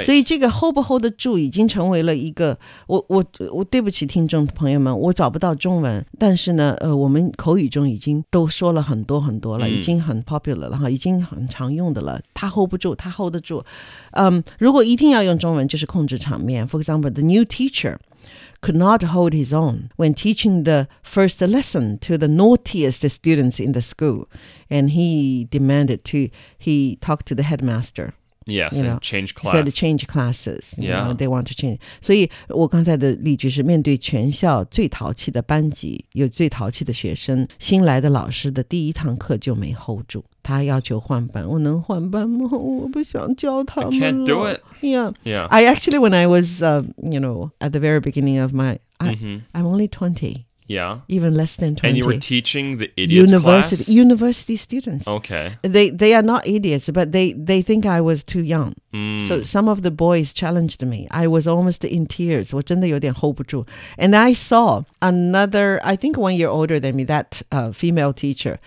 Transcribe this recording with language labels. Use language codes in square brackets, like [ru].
[zh] 所以这个 hold 不 hold 得住已经成为了一个 我对不起听众朋友们我找不到中文但是呢、我们口语中已经都说了很多很多了、mm. 已经很 popular 了已经很常用的了他 hold 不住他 hold 得住、如果一定要用中文就是控制场面 [en] For example, the new teacherCould not hold his own when teaching the first lesson to the naughtiest students in the school. And he demanded to, he talked to the headmaster. Yes, you know, and change class. He said change classes. Yeah. Know, they want to change. [zh] 所以我刚才的例句是面对全校最淘气的班级有最淘气的学生新来的老师的第一堂课就没 hold 住。他要求换班我能换班吗我不想教他们了 [en] I can't do it yeah. I actually when I was、you know at the very beginning of my、mm-hmm. I'm only 20 yeah even less than 20 and you were teaching the idiots university, class university students okay they are not idiots but they think I was too young、 mm. so some of the boys challenged me I was almost in tears [zh] 我真的有点 hold 不住 [en] and I saw another I think 1 year older than me that、female teacher、